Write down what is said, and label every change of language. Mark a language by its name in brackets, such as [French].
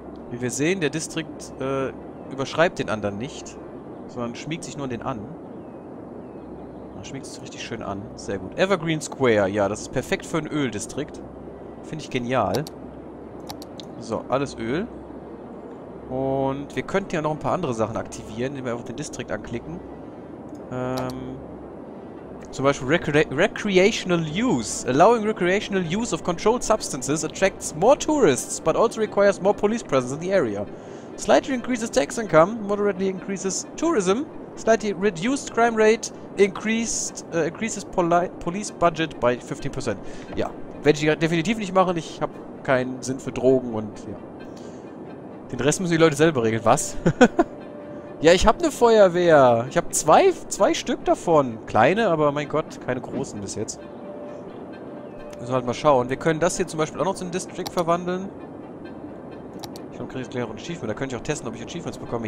[German] Wie wir sehen, der Distrikt überschreibt den anderen nicht, sondern schmiegt sich nur den an. Schmeckt es richtig schön an. Sehr gut. Evergreen Square. Ja, das ist perfekt für einen Öldistrikt. Finde ich genial. So, alles Öl. Und wir könnten ja noch ein paar andere Sachen aktivieren, indem wir einfach den Distrikt anklicken. Zum Beispiel Recreational Use. [English] Allowing recreational use of controlled substances attracts more tourists, but also requires more police presence in the area. Slightly increases tax income, moderately increases tourism. Slightly reduced crime rate increases police budget by 15%. [German] Ja, werde ich definitiv nicht machen. Ich habe keinen Sinn für Drogen und ja. Den Rest müssen die Leute selber regeln. Was? Ja, ich habe eine Feuerwehr. Ich habe zwei Stück davon. Kleine, aber mein Gott, keine großen bis jetzt. Müssen wir halt mal schauen. Wir können das hier zum Beispiel auch noch zum District verwandeln. Vom Kriegsklärer und Achievement. Da könnte ich auch testen, ob ich Achievements bekomme.